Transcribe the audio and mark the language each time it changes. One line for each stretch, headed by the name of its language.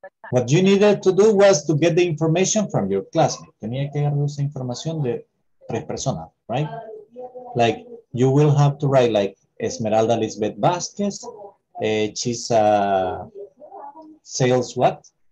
English: What you needed to do was to get the information from your classmate.
Spanish: Tenía que agarrar esa información de tres personas, right?
English: Like, you will have to write like Esmeralda Lisbeth Vázquez, she's a sales what?